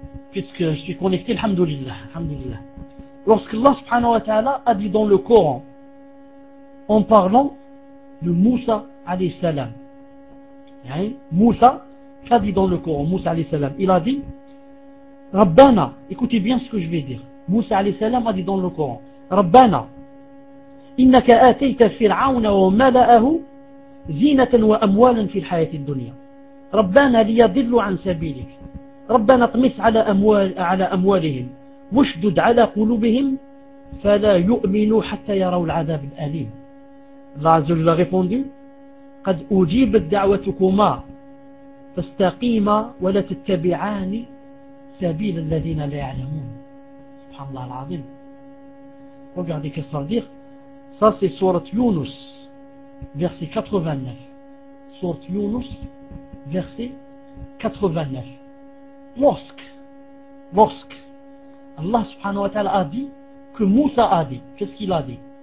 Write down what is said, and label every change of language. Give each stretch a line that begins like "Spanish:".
French: Puisque je suis connecté, Alhamdulillah. Lorsque Allah subhanahu wa ta'ala a dit dans le Coran, en parlant de Moussa alayhi salam, hein, Moussa a dit dans le Coran, Moussa alayhi salam, il a dit, Rabbana, écoutez bien ce que je vais dire. Moussa alayhi salam a dit dans le Coran, Rabbana,
Arabic: إنك آتيت فرعون وملأه زينة وأموالا في الحياة الدنيا ربنا ليضلوا عن سبيلك ربنا اطمس على أموالهم واشدد على قلوبهم فلا يؤمنوا حتى يروا العذاب الأليم. الله عز وجل
French: répondu,
Arabic: قد أجيبت دعوتكما فاستقيما ولا تتبعان سبيل الذين لا يعلمون. سبحان الله العظيم.
French: Regardez qu'est-ce qu'on dit. Ça, c'est Sourate Yunus, verset 89. Sourate Yunus, verset 89. Lorsque Allah subhanahu wa ta'ala a dit que Moussa a dit, qu'est-ce qu'il a dit?